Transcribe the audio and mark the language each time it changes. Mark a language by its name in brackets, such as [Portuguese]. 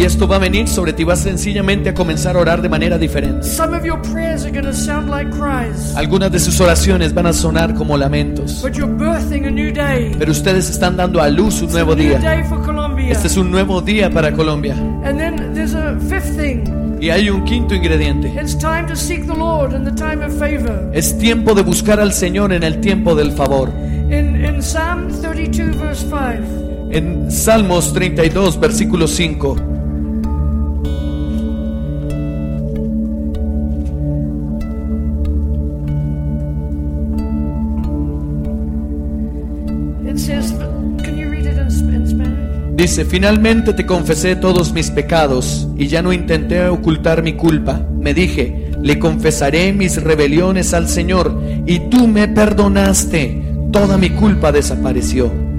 [Spanish] Y esto va a venir sobre ti, vas sencillamente a comenzar a orar de manera diferente. [English] Some of your prayers are going to sound like cries. [Spanish] Algunas de sus oraciones van a sonar como lamentos. [English] But you're birthing a new day. [Spanish] Pero ustedes están dando a luz un nuevo día. [English] It's a new day for Colombia. [Spanish] Este es un nuevo día para Colombia. [English] And then there's a fifth thing. [Spanish] Y hay un quinto ingrediente. [English] It's time to seek the Lord in the time of favor. [Spanish] Es tiempo de buscar al Señor en el tiempo del favor. [English] In Psalm 32, verse 5. [Spanish] En Salmos 32, versículo 5. [English] It says, can you read it in Spanish? [Spanish] Dice, finalmente te confesé todos mis pecados y ya no intenté ocultar mi culpa. Me dije, le confesaré mis rebeliones al Señor y tú me perdonaste. Toda mi culpa desapareció.